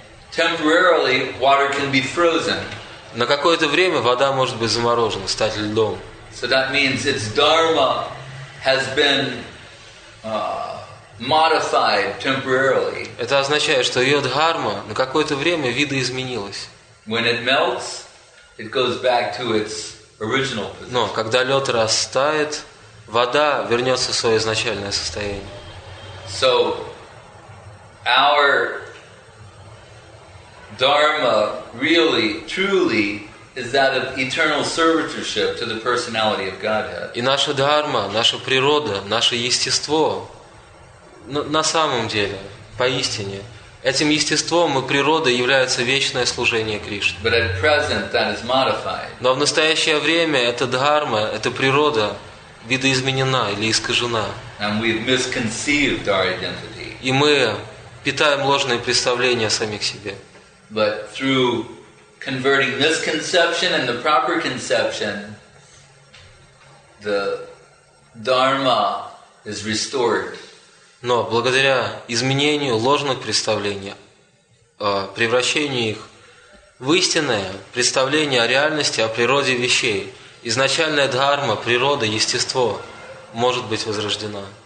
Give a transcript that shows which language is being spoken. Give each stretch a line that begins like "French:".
English: Temporarily, water can be frozen.
Russian: На какое-то время вода может быть заморожена, стать льдом.
English: So that means its dharma has been modified temporarily.
Russian: Это означает, что ее дхарма на какое-то время видоизменилась.
English: When it melts, it goes back to its original position.
Russian: Но когда лед растает, вода вернется в свое изначальное состояние.
English: So our dharma really, truly is that of eternal servitorship to the personality of Godhead.
Russian: И наша дхарма, наша природа, наше естество на самом деле, поистине, этим естеством и природой является вечное служение Кришне.
English: But at present that is modified.
Russian: Но в настоящее время эта дхарма, эта природа видоизменена или искажена.
English: And we've misconceived our identity.
Russian: И мы питаем ложные представления о самих себе.
English: But through converting misconception and the proper conception, the dharma is restored.
Russian: Но благодаря изменению ложных представлений, превращению их в истинное представление о реальности, о природе вещей, изначальная дхарма, природа, естество может быть возрождена.